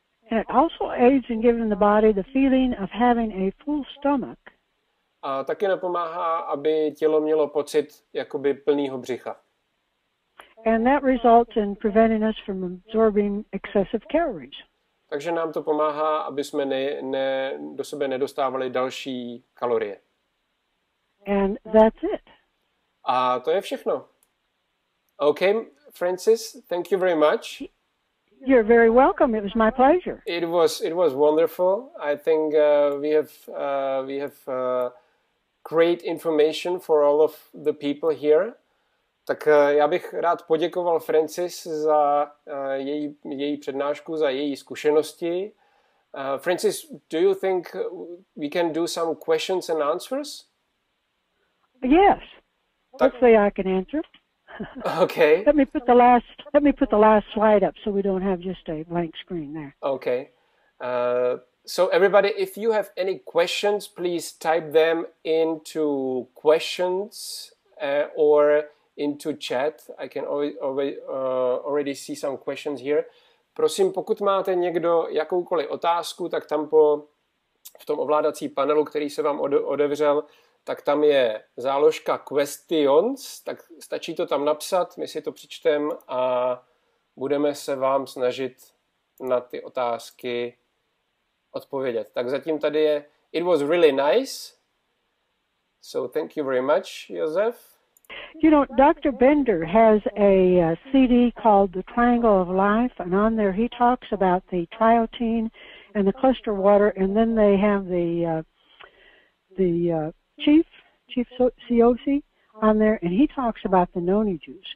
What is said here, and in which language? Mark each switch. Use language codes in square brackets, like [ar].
[en] And it also aids in giving the body the feeling of having a full stomach. [cs] A taky napomáhá, aby tělo mělo pocit jakoby plného břicha. [en] And that results in preventing us from absorbing excessive calories. [cs] Takže nám to pomáhá, aby jsme do sebe nedostávali další kalorie. [en] And that's it. [cs] A to je všechno. [en] Okay, Francis, thank you very much. You're very welcome. It was my pleasure. It was wonderful. I think we have great information for all of the people here. [cs] Tak já bych rád poděkoval Francis za její přednášku, za její zkušenosti. [en] Francis, do you think we can do some questions and answers? Yes. Let's say I can answer. Okay. Let me put the last slide up so we don't have just a blank screen there. Okay. So everybody, if you have any questions, please type them into questions or into chat. I can already see some questions here. [cs] Prosím, pokud máte někdo jakoukoliv otázku, tak tam v tom ovládací panelu, který se vám odevřel, tak tam je záložka questions, tak stačí to tam napsat, my si to přečteme a budeme se vám snažit na ty otázky odpovědět. Tak zatím tady je, [en] it was really nice. So thank you very much, Josef. You know, Dr. Bender has a CD called The Triangle of Life, and on there he talks about the triotine and the cluster water, and then they have the chief COC on there, and he talks about the noni juice.